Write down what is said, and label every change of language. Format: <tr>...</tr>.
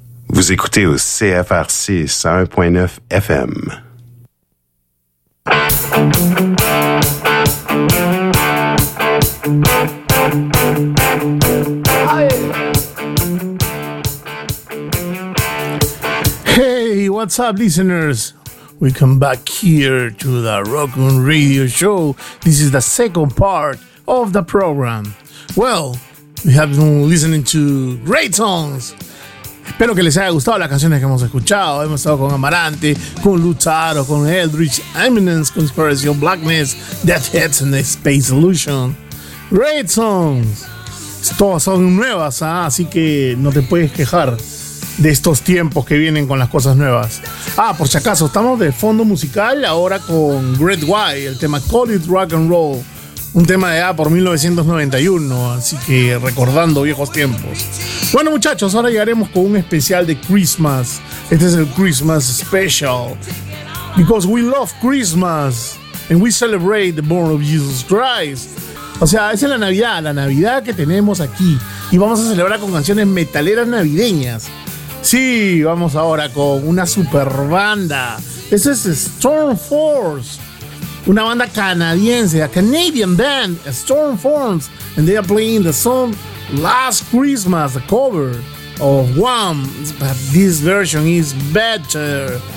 <fr>Vous écoutez au CFRC 101.9 FM.</fr> <en>What's up, listeners? We come back here to the Rockoon Radio Show. This is the second part of the program. Well, we have been listening to great songs.</en> <es>Espero que les haya gustado las canciones que hemos escuchado. Hemos estado con Amarante, con Lutaro, con Eldritch, Eminence, Conspiracy of Blackness, Death Heads and the Space Illusion.</es> <en>Great songs.</en> <es>Todas son nuevas, ¿eh? Así que no te puedes quejar de estos tiempos que vienen con las cosas nuevas. Ah, por si acaso, estamos de fondo musical ahora con Great White, el tema Call It Rock and Roll, un tema de por 1991, así que recordando viejos tiempos. Bueno, muchachos, ahora llegaremos con un especial de Christmas. Este es el</es> <en>Christmas Special, because we love Christmas and we celebrate the birth of Jesus Christ.</en> <es>O sea, esa es la Navidad que tenemos aquí, y vamos a celebrar con canciones metaleras navideñas. Sí, vamos ahora con una super banda. Esa es Storm Force, una banda canadiense,</es> <en>a Canadian band, Storm Force, and they are playing the song Last Christmas, a cover of One, but this version is better.</en>